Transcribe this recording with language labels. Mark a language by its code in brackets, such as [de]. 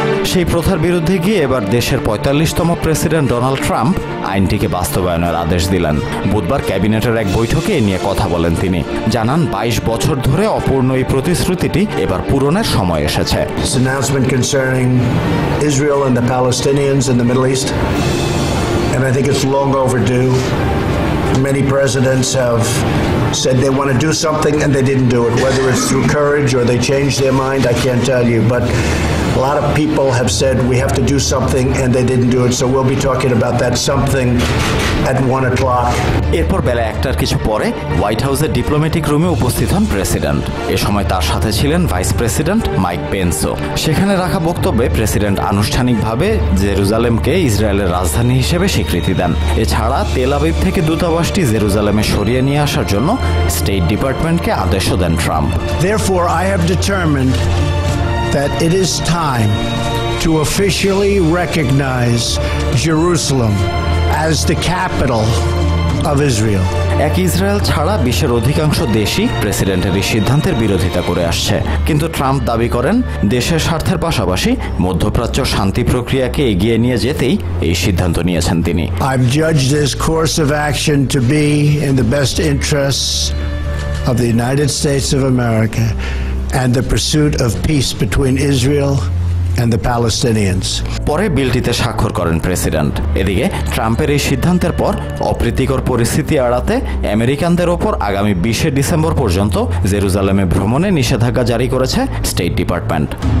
[bn] সেই প্রথার বিরুদ্ধে গিয়ে এবার দেশের 45তম প্রেসিডেন্ট ডোনাল্ড ট্রাম্প আইনটিকে বাস্তবায়নের আদেশ দিলেন। বুধবার ক্যাবিনেটের এক বৈঠকে এ নিয়ে কথা বলেন তিনি। জানান, 22 বছর ধরে অপূর্ণ এই প্রতিশ্রুতিটি এবার পূরণের সময় এসেছে। [en] Many presidents have said they want to do something and they didn't do it, whether it's through courage or they changed their mind, I can't tell you, but a lot of people have said we have to do something and they didn't do it, so we'll be talking about that something at 1 o'clock. [bn] এরপর বেলা 1টার কিছু পরে white হাউসের diplomatic রুমে উপস্থিত হন president. এ সময় তার সাথে ছিলেন ভাইস প্রেসিডেন্ট মাইক পেন্সও। সেখানে রাখা বক্তব্যে প্রেসিডেন্ট আনুষ্ঠানিকভাবে জেরুজালেমকে ইসরায়েলের রাজধানী হিসেবে স্বীকৃতি দেন। এছাড়া তেল আবিব থেকে দূতাবাসটি জেরুজালেমে সরিয়ে নিয়ে আসার জন্য স্টেট ডিপার্টমেন্টকে আদেশও দেন Trump. [en] Therefore, I have determined that it is time to officially recognize Jerusalem as the capital of Israel. [bn] এক ইসরায়েল ছাড়া বিশ্বের অধিকাংশ দেশই প্রেসিডেন্টের এই সিদ্ধান্তের বিরোধিতা করে আসছে, কিন্তু ট্রাম্প দাবি করেন দেশের স্বার্থের পাশাপাশি মধ্যপ্রাচ্য শান্তি প্রক্রিয়াকে এগিয়ে নিয়ে যেতেই এই সিদ্ধান্ত নিয়েছেন তিনি। [en] I've judged this course of action to be in the best interests of the United States of America and the pursuit of peace between Israel and the Palestinians. [bn] পরে বিলটিতে স্বাক্ষর করেন প্রেসিডেন্ট। এদিকে ট্রাম্পের এই সিদ্ধান্তের পর অপ্রীতিকর পরিস্থিতি এড়াতে আমেরিকানদের ওপর আগামী 20 ডিসেম্বর পর্যন্ত জেরুজালেমে ভ্রমণে নিষেধাজ্ঞা জারি করেছে স্টেট ডিপার্টমেন্ট।